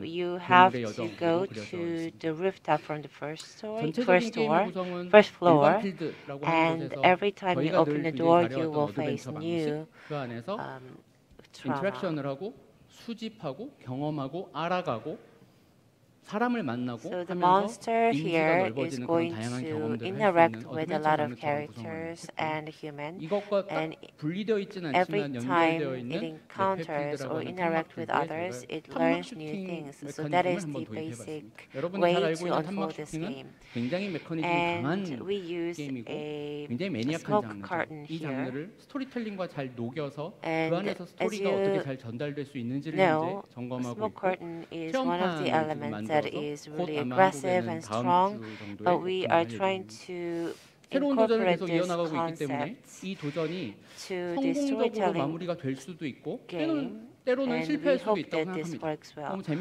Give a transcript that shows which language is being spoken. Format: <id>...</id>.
<ko>그들의 여정이 그려져 있습니다. 전체적인 게임의 구성은 일반필드라고 하는 곳에서 저희가 늘 굉장히 다려왔던 어드벤처가 그 안에서 인터랙션을 하고 수집하고 경험하고 알아가고 사람을 만나고</ko> <en>so the monster here is going to interact with a lot of characters and humans.</en> <ko>이것과 딱 분리되어 있지는 않지만</ko> <en>every time it encounters or interact with others, it learns new things. So that is the basic way to unfold this game.</en> <ko>굉장히 메커니즘이 강한 게임이고 굉장히 매니악한 장르죠. 이 장르를 스토리텔링과 잘 녹여서 그 안에서 스토리가 어떻게 잘 전달될 수 있는지를 이제 점검하고 있고 체험판을</ko> <en>that is really aggressive and strong, but we are trying to incorporate this concept to the storytelling game, and we hope that this works well.</en>